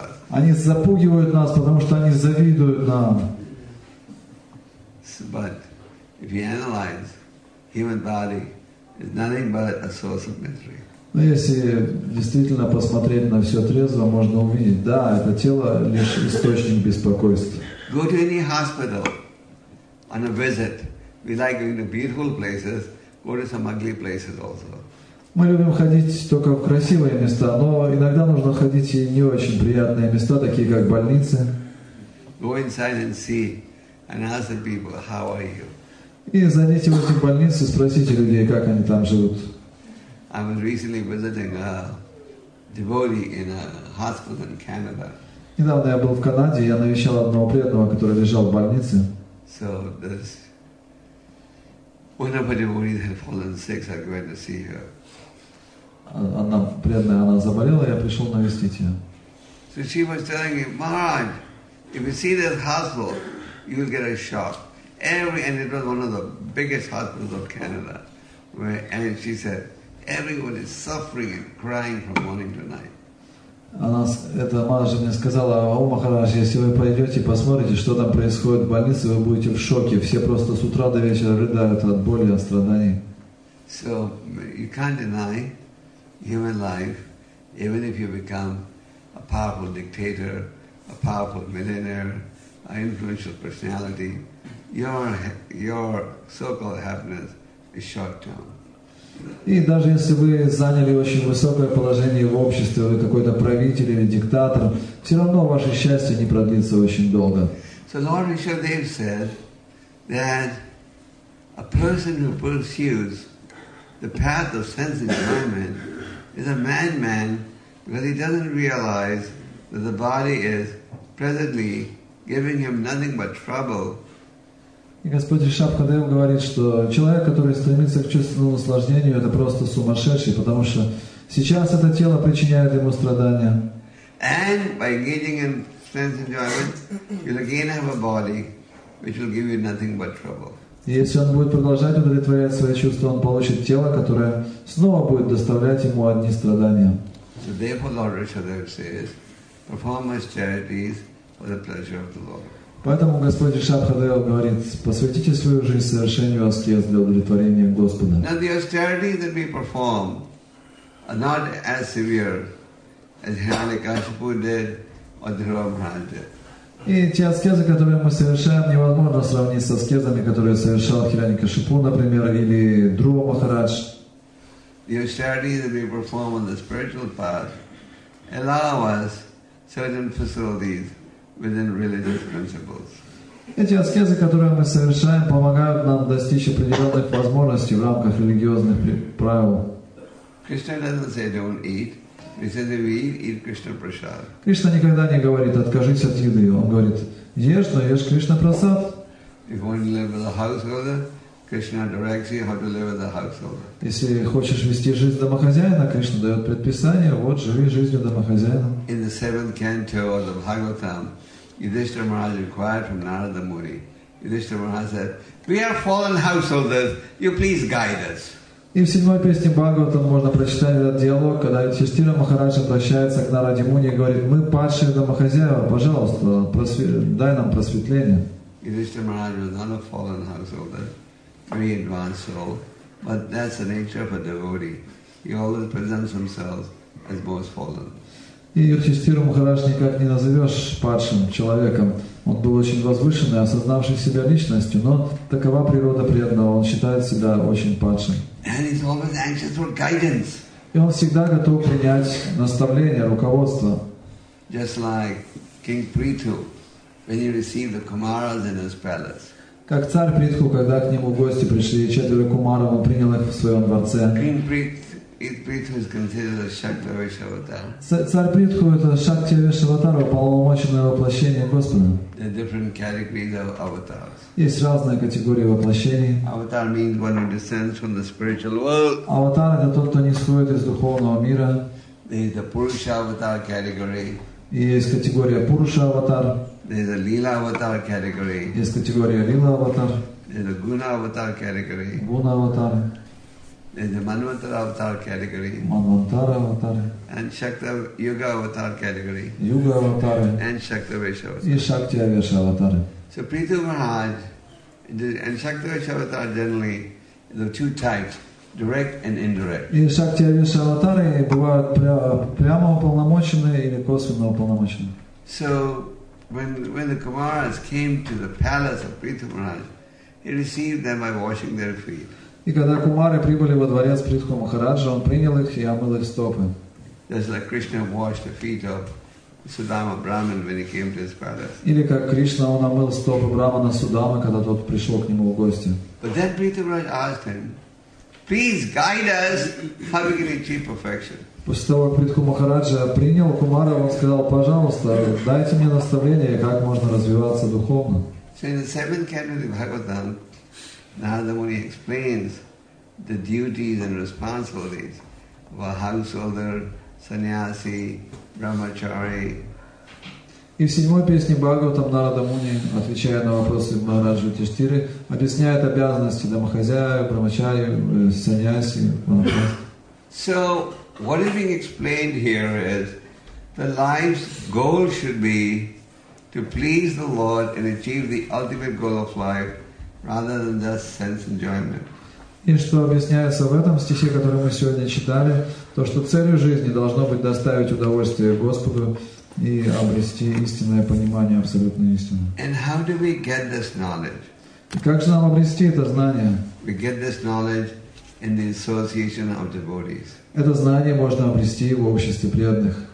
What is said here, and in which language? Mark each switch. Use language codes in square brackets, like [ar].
[ru] Они запугивают нас, потому что они завидуют нам. [en] But if you analyze, human body is nothing but a source of misery. [ru] Но если действительно посмотреть на все трезво, можно увидеть, да, это тело лишь источник беспокойства. [en] Go to any hospital on a visit. We like going to beautiful places. Go to some ugly places also. [ru] Мы любим ходить только в красивые места, но иногда нужно ходить и не очень приятные места, такие как больницы. [en] Go inside and see and ask the people, how are you? [ru] И зайдите в эти больницы, спросите людей, как они там живут. [en] I was recently visiting a devotee in a hospital in Canada. [ru] Недавно я был в Канаде, я навещал одного преданного, который лежал в больнице. [en] So this one of the devotees had fallen sick, so I went to see her. Она преданная, она заболела, я пришел навестить ее. So she was telling him, Maharaj, if you see this hospital, you will get a shock. And it was one of the biggest hospitals of Canada. And she said, everyone is suffering and crying from morning to night. [ru] Она, эта мама мне сказала, о, Махарадж, если вы пойдете, посмотрите, что там происходит в больнице, вы будете в шоке. Все просто с утра до вечера рыдают от боли, от страданий. [en] So, you can't deny human life, even if you become a powerful dictator, a powerful millionaire, an influential personality, your so-called happiness is short-term. [ru] И даже если вы заняли очень высокое положение в обществе, вы какой-то правитель или диктатор, все равно ваше счастье не продлится очень долго. [en] So Lord Vishwadev said that a person who pursues the path of sense enjoyment is a madman because he doesn't realize that the body is presently giving him nothing but trouble. [ru] И Господь Вишакхадев говорит, что человек, который стремится к чувственному наслаждению, это просто сумасшедший, потому что сейчас это тело причиняет ему страдания. [en] And by engaging in sense enjoyment, you'll again have a body, which will give you nothing but trouble. [ru] И если он будет продолжать удовлетворять свои чувства, он получит тело, которое снова будет доставлять ему одни страдания. [en] So therefore, Lord Vishakhadev says, perform his charities for the pleasure of the Lord. [ru] Поэтому Господь Вишакхадев говорит, посвятите свою жизнь совершению аскез для удовлетворения Господа. [en] Now the austerities that we perform are not as severe as Hiranyakashipu did or Dhruva Maharaj did. [ru] И те аскезы, которые мы совершаем, невозможно сравнить с аскезами, которые совершал Хиранякашипу, например, или Дхрува Махарадж. [en] The austerities that we perform on the spiritual path allow us certain facilities within religious principles. [ru] Эти аскезы, которые мы совершаем, помогают нам достичь определенных возможностей в рамках религиозных правил. [en] Krishna doesn't say don't eat. He says if you eat Krishna prasad. [ru] Кришна никогда не говорит откажись от еды. Он говорит ешь, но ешь Кришна прасад. [en] If you want to live with a householder, Krishna directs you how to live with a householder. [ru] Если хочешь вести жизнь домохозяина, Кришна дает предписание, вот живи жизнью домохозяина. [en] In the seventh canto of the Bhagavatam, Yudhishthira Maharaj inquired from Narada Muni, Yudhishthira Maharaj said, we are fallen householders, you please guide us. [ru] И в седьмой песне Бхагаватам можно прочитать этот диалог, когда Юдхиштхира Махарадж обращается к Нараде Муни и говорит, мы падшие домохозяева, пожалуйста, дай нам просветление. [en] Юдхиштхира Махарадж was not a fallen householder, very advanced soul, but that's the nature of a devotee. He always presents himself as most fallen. [ru] И Юдхиштхиру Махарадж никак не назовешь падшим человеком. Он был очень возвышенный, осознавший себя личностью, но такова природа преданного, он считает себя очень падшим. [en] And he's always anxious for guidance. [ru] И он всегда готов принять наставление, руководство. [en] Just like King Prithu, when he received the Kumaras in his palace. [ru] Как царь Притху, когда к нему гости пришли четверо кумаров, он принял их в своем дворце. [en] King Prithu is considered a Shakti Vaishavatar. [ru] Царь Притху это Шакти Вишаватар, уполномоченное воплощение Господа. [en] There are different categories of avatars. [ru] Есть разные категории воплощений. [en] Avatar means one who descends from the spiritual world. [ru] Аватар это тот, кто нисходит из духовного мира. [en] There is the Purusha avatar category. [ru] Есть категория Пуруша аватар. [en] There is the Lila avatar category. [ru] Есть категория Лила аватар. [en] There is the Guna avatar category. [ru] Guna аватар. [en] There is the Manvantara avatar category. [ru] Manvantara avatar. [en] And Shakta Yuga avatar category. [ru] Yuga avatar. [en] And Shakta Vesha avatar. [ru] И Шакти Веша аватар. [en] So Prithu Maharaj and Shakti Vaishya Avatar generally the two types, direct and indirect. [ru] И Шакти Вейша Аватары бывают прямо уполномоченные или косвенно уполномоченные. [en] So when the Kumaras came to the palace of Prithu Maharaj, he received them by washing their feet. [ru] И когда Кумары прибыли во дворец Притху Махараджа, он принял их и омыл их стопы. [en] Just like Krishna washed the feet of Sudama Brahman when he came to his palace. [ru] Или как Кришна, он омыл стопы Брахмана Судама, когда тот пришел к нему в гости. [en] But then Prithu Maharaj asked him, please guide us how we can achieve perfection. [ru] После того, как Притху Махараджа принял Кумара, он сказал, пожалуйста, дайте мне наставление, как можно развиваться духовно. [en] So in the seventh canto of the Bhagavatam, Narada Muni explains the duties and responsibilities of a householder, sannyasi, brahmachari. [ru] И в седьмой песне Бхагаватам Нарада Муни, отвечая на вопросы Махараджа Юдхиштхиры, объясняет обязанности домохозяев, брахмачари, саньяси, манапрастха. [en] So, what is being explained here is the life's goal should be to please the Lord and achieve the ultimate goal of life, rather than just sense enjoyment. [ru] И что объясняется в этом стихе, который мы сегодня читали, то, что целью жизни должно быть доставить удовольствие Господу и обрести истинное понимание, абсолютную истину. [en] And how do we get this knowledge? [ru] Как же нам обрести это знание? [en] We get this knowledge in the association of devotees. [ru] Это знание можно обрести в обществе преданных.